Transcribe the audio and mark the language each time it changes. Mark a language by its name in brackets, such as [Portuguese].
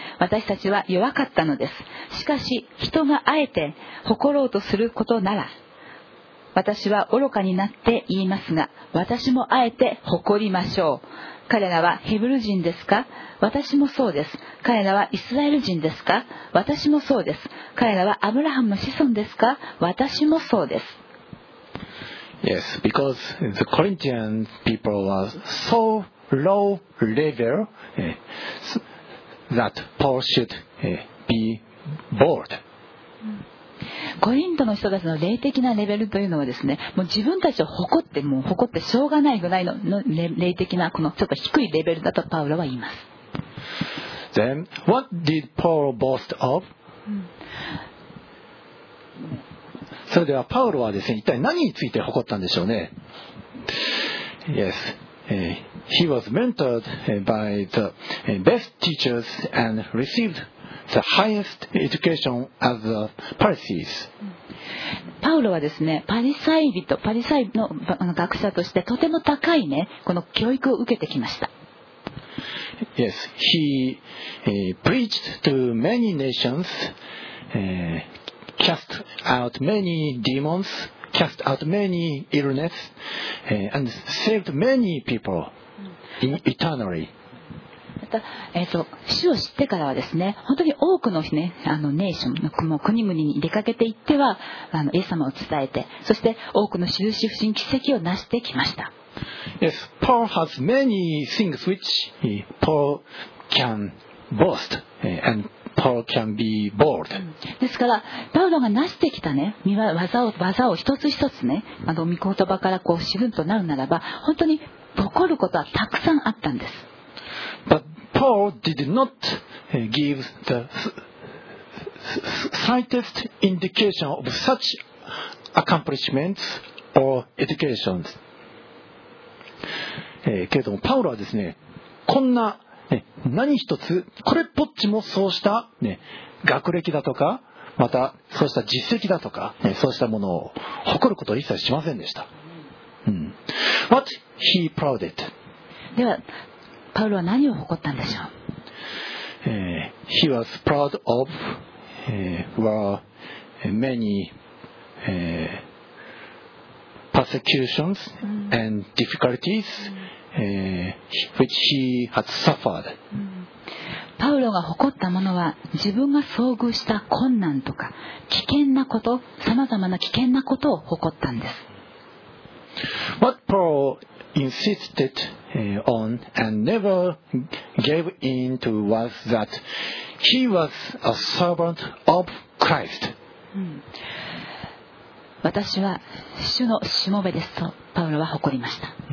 [Japanese] 私たちは弱かったのです。しかし人があえて誇ろうとすることなら、私は愚かになって言いますが、私もあえて誇りましょう。彼らはヘブル人ですか？私もそうです。彼らはイスラエル人ですか？私もそうです。彼らはアブラハムの子孫ですか？私もそうです。 [English] Yes, because the Corinthian people were so low level that Paul should be bold. [Japanese] コリントの人たちの霊的なレベルというのはですね、もう自分たちを誇って、もう誇ってしょうがないぐらいの霊的なこのちょっと低いレベルだとパウロは言います。 [English] Then, what did Paul boast of? [Japanese] それではパウロはですね、一体何について誇ったんでしょうね。 [English] Yes, he was mentored by the best teachers and received. The highest education of the Pharisees. [Japanese] パウロはですね、パリサイの学者としてとても高いね、この教育を受けてきました。 [English] Yes, he preached to many nations, cast out many demons, cast out many illness, and saved many people eternally. [Japanese] 主を知ってからはですね、本当に多くの、ね、あのネーションの国々に出かけていっては、あのイエス様を伝えて、そして多くの印不審奇跡を成してきました。 [English] Yes, Paul has many things which Paul can boast and Paul can be bold. [Japanese] ですからパウロが成してきた、ね、技を一つ一つね、あの御言葉からこう知るとなるならば、本当に誇ることはたくさんあったんです。 [English] But Paul did not give the slightest indication of such accomplishments or educations. [Japanese] けれども、パウロはですね、こんな、ね、何一つ、これっぽっちもそうした、ね、学歴だとか、またそうした実績だとか、ね、そうしたものを誇ることを一切しませんでした。 [English] うん、What he prouded. [Japanese] では、パウロは何を誇ったんでしょう。 [English] He was proud of many persecutions and difficulties which he had suffered. [Japanese] パウロが誇ったものは、自分が遭遇した困難とか危険なこと、さまざまな危険なことを誇ったんです。 [English] What Paul insisted on and never gave in to was that he was a servant of Christ. [Japanese] 私は主のしもべですとパウロは誇りました。